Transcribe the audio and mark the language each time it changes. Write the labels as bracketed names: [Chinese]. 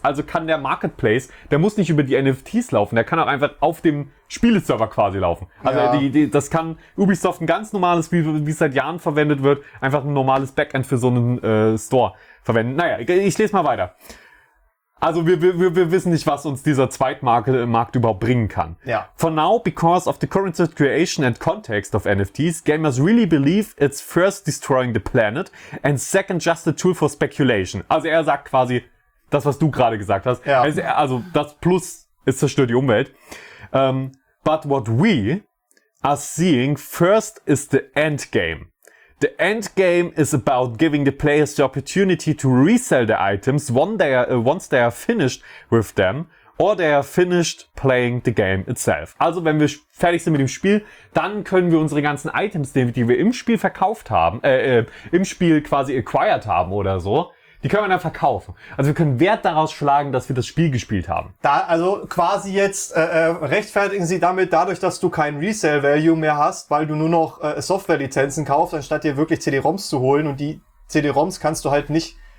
[German] Also kann der Marketplace, der muss nicht über die NFTs laufen, der kann auch einfach auf dem Spieleserver quasi laufen. Also das kann Ubisoft ein ganz normales, wie seit Jahren verwendet wird, einfach ein normales Backend für so einen Store verwenden. Naja, ich lese mal weiter. Also wir wissen nicht, was uns dieser Zweitmarkt überhaupt bringen kann. Ja. [English] For now, because of the current situation and context of NFTs, gamers really believe it's first destroying the planet and second just a tool for speculation. [German] Also er sagt quasi das, was du gerade gesagt hast. Ja. Also das Plus, es zerstört die Umwelt. [English] But what we are seeing first is the end game. The end game is about giving the players the opportunity to resell their items once they are finished with them or they are finished playing the game itself. [German] Also wenn wir fertig sind mit dem Spiel, dann können wir unsere ganzen Items, die wir im Spiel verkauft haben, im Spiel quasi acquired haben oder so, die können wir dann verkaufen. Also wir können Wert daraus schlagen, dass wir das Spiel gespielt haben. Da, also quasi jetzt rechtfertigen sie damit dadurch, dass du kein Resell-Value mehr hast, weil du nur noch Software-Lizenzen kaufst, anstatt dir wirklich CD-ROMs zu holen. Und die CD-ROMs kannst du halt nicht